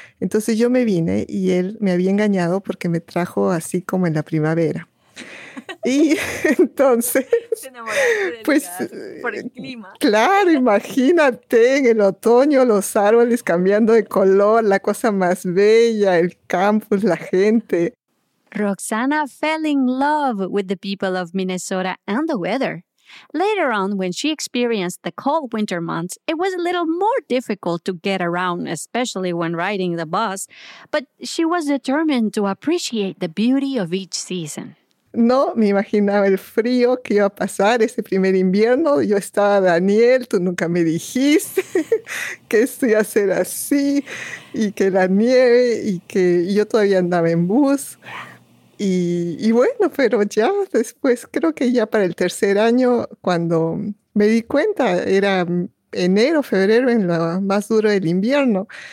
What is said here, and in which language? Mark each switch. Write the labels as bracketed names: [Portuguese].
[Spanish] Entonces yo me vine y él me había engañado porque me trajo así como en la primavera. Y entonces, pues, por el clima. Claro, imagínate en el otoño los árboles cambiando de color, la cosa más bella, el campus, la gente. [English] Roxana fell in love with the people of Minnesota and the weather. Later on, when she experienced the cold winter months, it was a little more difficult to get around, especially when riding the bus, but she was determined to appreciate the beauty of each season. [Spanish] No, me imaginaba el frío que iba a pasar ese primer invierno. Yo estaba, Daniel, tú nunca me dijiste que esto iba a ser así y que la nieve y que yo todavía andaba en bus. Y bueno, pero ya después, creo que ya para el tercer año, cuando me di cuenta, era enero, febrero, en lo más duro del invierno.